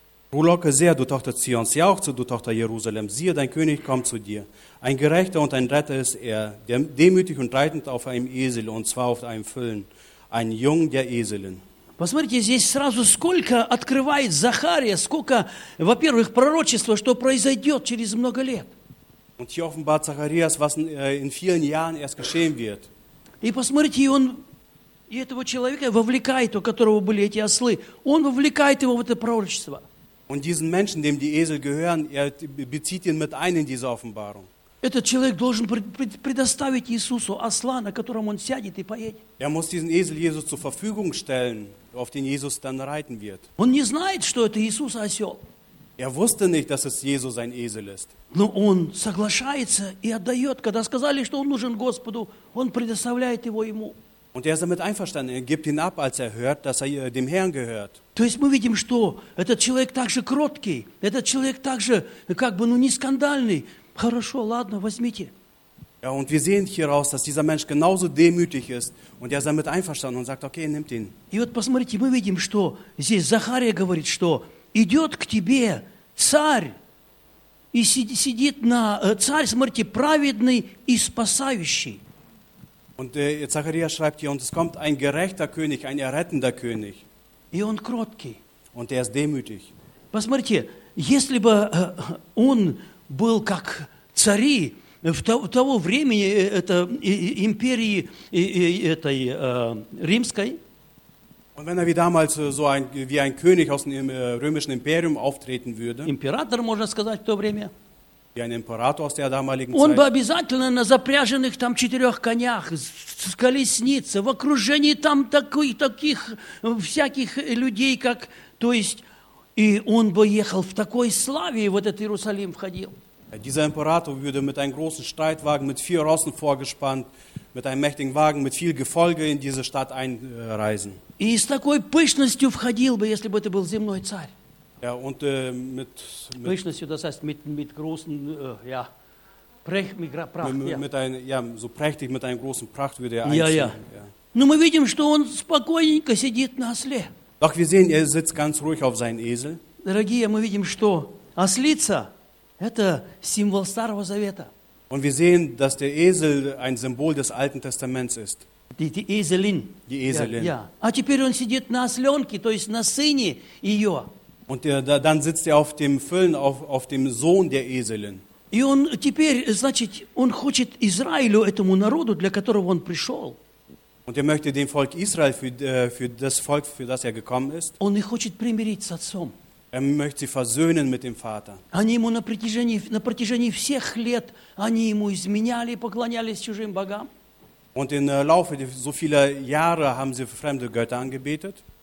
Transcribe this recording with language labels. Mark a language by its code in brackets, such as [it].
[de] Frohlocke sehr, du Tochter Zions, jauchze, du Tochter Jerusalem, siehe, dein König kommt zu dir. Ein Gerechter und ein Retter ist er, demütig und reitend auf einem Esel, und zwar auf einem Füllen, ein Jung der Eselin. [ru] Посмотрите, здесь сразу сколько открывает Захария, сколько, во-первых, пророчества, что произойдет через много лет. [de] Und hier offenbart Zacharias, was in vielen Jahren erst geschehen wird. [ru] И посмотрите, он... И этого человека вовлекает, у которого были эти ослы, он вовлекает его в это пророчество. [de] Und diesen Menschen, dem die Esel gehören, bezieht ihn mit ein in diese Offenbarung. [ru] Этот человек должен предоставить Иисусу осла, на котором он сядет и поедет. [de] Muss diesen Esel Jesus zur Verfügung stellen, auf den Jesus dann reiten wird. [ru] Он не знает, что это Иисус осел. [de] Wusste nicht, dass es Jesus ein Esel ist. [ru] Но он соглашается и отдает, когда сказали, что он нужен Господу, он предоставляет его ему. [de] Und ist damit einverstanden. Gibt ihn ab, als hört, dass dem Herrn gehört. [ru] То есть мы видим, что этот человек также кроткий, этот человек также как бы, ну, не скандальный. Хорошо, ладно, возьмите. [de] Ja, und wir sehen hieraus, dass dieser Mensch genauso demütig ist und ist damit einverstanden und sagt, okay, nehmt ihn. [ru] И вот посмотрите, мы видим, что здесь Захария говорит, что идет к тебе царь и сидит на царь, смотрите, праведный и спасающий. [de] Und Zacharias schreibt hier, und es kommt ein gerechter König, ein errettender König. Und ist demütig. [ru] Посмотрите, если бы он был как цари, того времени это империи этой римской. [de] Und wenn er wie damals so ein, wie ein König aus dem römischen Imperium auftreten würde, [ru] Imperator, можно сказать, в то время, [de] wie ein Imperator aus der damaligen [ru] он [de] Zeit, [ru] бы обязательно на запряженных там четырех конях, с колесницей, в окружении там такой, таких всяких людей, как, то есть, и он бы ехал в такой славе, и в этот Иерусалим входил. [de] Dieser Imperator würde mit einem großen Streitwagen, mit vier Rossen vorgespannt, mit einem mächtigen Wagen, mit viel Gefolge in diese Stadt einreisen. [ru] И с такой пышностью входил бы, если бы это был земной царь. [de] Ja, und, mit пышностью, das heißt, mit großen, ja, mit ein, ja, so prächtig, mit einem großen Pracht würde er einziehen. Ja, ja. [ru] Но мы видим, что он спокойненько сидит на осле. [de] Doch wir sehen, er sitzt ganz ruhig auf seinem Esel. [ru] Дорогие, мы видим, что ослица – это символ Старого Завета. [de] Und wir sehen, dass der Esel ein Symbol des Alten Testaments ist. Die Eselin. Die Eselin. Ja. [ru] А теперь он сидит на осленке, то есть на сыне ее. [de] Und dann sitzt er auf dem Füllen, auf dem Sohn der Eselin. [ru] И он теперь, значит, он хочет Израилю, этому народу, для которого он пришел. [de] Und er möchte dem Volk Israel, für das Volk, für das er gekommen ist. [ru] Он их хочет примирить с отцом. [de] Er möchte sie versöhnen mit dem Vater. [ru] Они ему на протяжении всех лет, они ему изменяли, поклонялись чужим богам. [de] Und im Laufe so vieler Jahre haben sie fremde Götter angebetet.